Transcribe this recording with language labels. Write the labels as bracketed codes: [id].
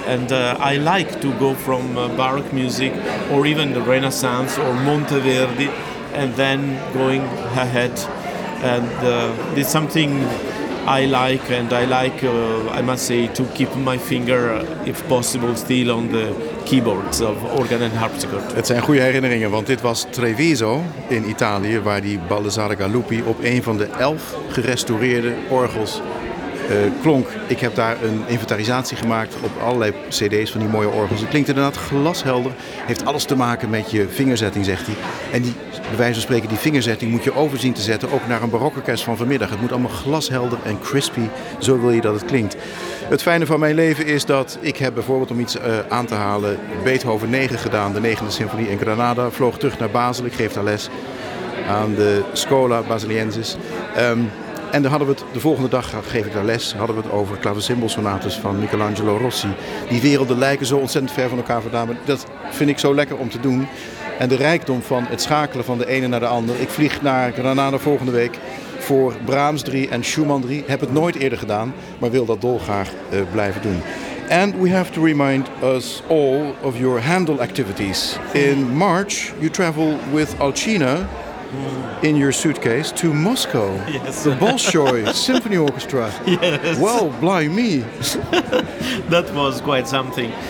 [en] And I like to go from Baroque music or even the Renaissance or Monteverdi, and then going ahead. And it's something I like, and I like, I must say, to keep my finger, if possible, still on the keyboards of organ and harpsichord. [nl] Het zijn goede herinneringen, want dit was Treviso in Italië, waar die Baldassare Galuppi op een van de 11 gerestaureerde orgels klonk. Ik heb daar een inventarisatie gemaakt op allerlei cd's van die mooie orgels. Het klinkt inderdaad glashelder, heeft alles te maken met je vingerzetting, zegt hij. En die, bij wijze van spreken, die vingerzetting moet je overzien te zetten, ook naar een barokorkest van vanmiddag. Het moet allemaal glashelder en crispy, zo wil je dat het klinkt. Het fijne van mijn leven is dat ik heb bijvoorbeeld, om iets aan te halen, Beethoven 9 gedaan, de 9e symfonie in Granada. Vloog terug naar Basel, ik geef daar les aan de Schola Baseliensis. En dan hadden we het, de volgende dag geef ik daar les, hadden we het over klavecimbalsonates van Michelangelo Rossi. Die werelden lijken zo ontzettend ver van elkaar vandaan, maar dat vind ik zo lekker om te doen. En de rijkdom van het schakelen van de ene naar de ander. Ik vlieg naar Granada volgende week voor Brahms 3 en Schumann 3. Heb het nooit eerder gedaan, maar wil dat dolgraag blijven doen. [en] And we have to remind us all of your Handel activities. In March you travel with Alcina in your suitcase to Moscow. Yes. The Bolshoi Symphony Orchestra. Yes. Well, blimey. That was quite something.